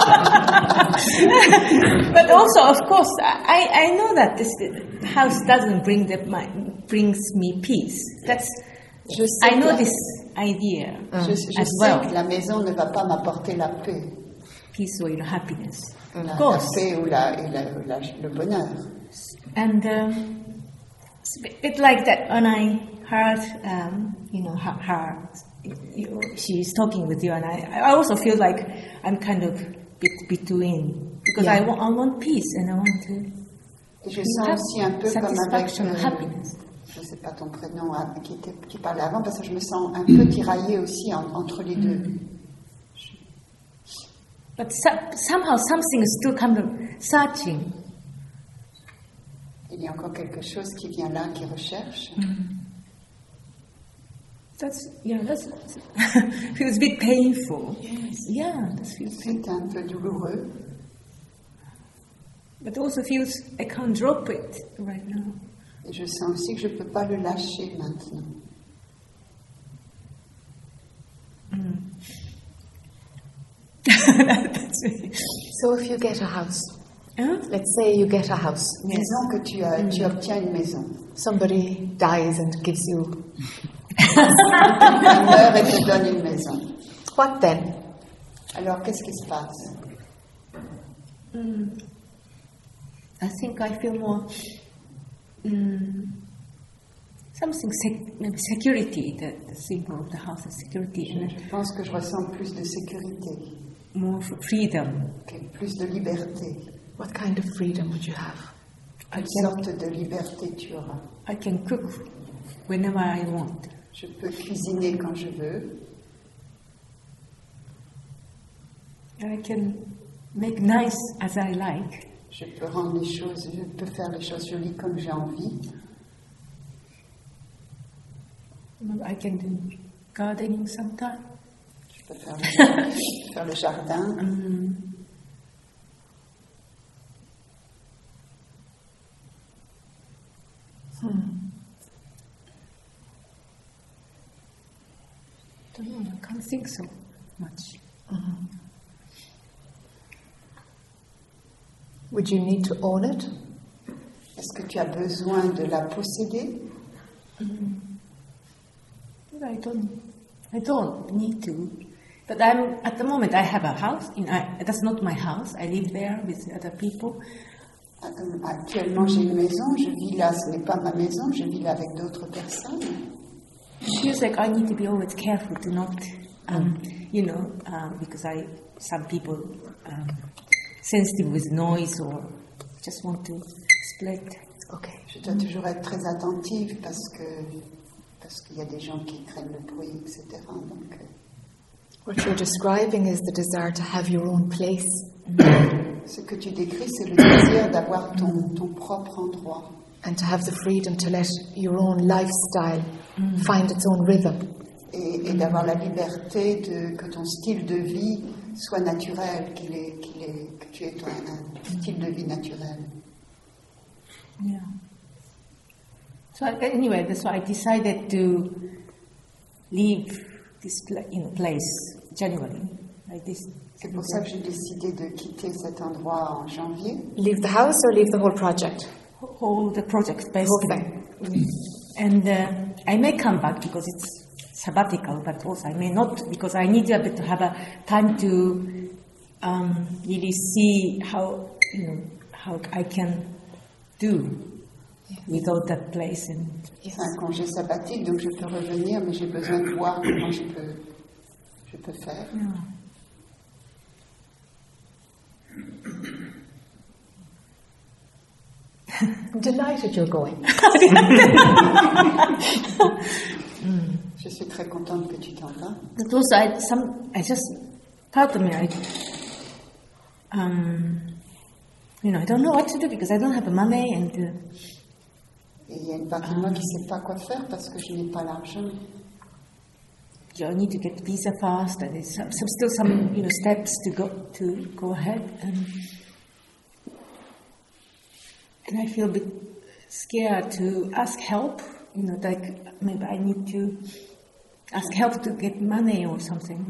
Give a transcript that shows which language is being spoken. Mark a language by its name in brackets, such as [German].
[English] But also, of course, I know that this house doesn't brings me peace. I know this idea as well. [French] Que la maison ne va pas m'apporter la paix. [English] Peace or your happiness. [French] La, [English] of course. [French] La paix ou le bonheur. [English] And it's a bit like that when I heard, she's talking with you, and I also feel like I'm kind of between, because yeah. I want peace and I want to. [French] Je sens aussi un peu comme avec [English] happiness. [French] Je sais pas ton prénom qui parlait avant, parce que je me sens un peu tiraillée aussi entre les deux. [English] But somehow something is still kind of searching. [French] Il y a encore quelque chose qui vient là, qui recherche. [English] Feels a bit painful. Yes. Yeah, that feels painful. [French] C'est un peu douloureux. [English] But also feels I can't drop it right now. [French] Et je sens aussi que je ne peux pas le lâcher maintenant. [English] So if you get a house. Let's say you get a house. [French] Maison que tu as, tu obtiens une maison. [English] Somebody dies and gives you. [French] Quelqu'un meurt et te donne une maison. [English] What then? [French] Alors qu'est-ce qui se passe? [English] I think I feel more something security. The symbol of the house is security. [French] Je pense que je ressens plus de sécurité. [English] More freedom. [French] Okay, plus de liberté. [English] What kind of freedom would you have? [French] Quelle sorte de liberté tu auras? [English] I can cook whenever I want. [French] Je peux cuisiner quand je veux. [English] I can make nice as I like. [French] Je peux rendre les choses, je peux faire les choses jolies comme j'ai envie. [English] I can do gardening sometimes. [French] Je peux faire le jardin. [English] I don't know, I can't think so much. Would you need to own it? [French] Est-ce que tu as besoin de la posséder? [English] Mm-hmm. I don't need to. But I'm at the moment I have a house. That's not my house. I live there with other people. [French] Actuellement, j'ai une maison. Je vis là. Ce n'est pas ma maison. Je vis là avec d'autres personnes. [English] It feels like I need to be always careful to not, you know, because I some people sensitive with noise or just want to split. Okay. [French] Je dois toujours être très attentive parce qu'il y a des gens qui craignent le bruit, etc. Donc. [English] What you're describing is the desire to have your own place. [French] Ce que tu décris, c'est le désir d'avoir ton propre endroit. [English] And to have the freedom to let your own lifestyle find its own rhythm. [French] Et d'avoir la liberté de que ton style de vie soit naturel, que tu aies un style de vie naturel. [English] Yeah. So anyway, that's why I decided to leave this place January. C'est pour ça que j'ai décidé de quitter cet endroit en janvier. Leave the house or leave the whole project? All the project, basically. Okay. And I may come back because it's sabbatical, but also I may not because I need a bit to have a time to really see how I can do without that place. And yes. [French] C'est un congé sabbatique, donc je peux revenir, mais j'ai besoin de voir comment je peux faire. [English] Yeah. Delighted you're going. [French] Je suis très contente que tu t'en vas. [English] But also, I just thought to me, I don't know what to do because I don't have the money. And [French] il y a une partie de moi qui ne sait pas quoi faire parce que je n'ai pas l'argent. [English] I need to get visa fast, and there's still some steps to go ahead. And I feel a bit scared to ask help, like maybe I need to ask help to get money or something.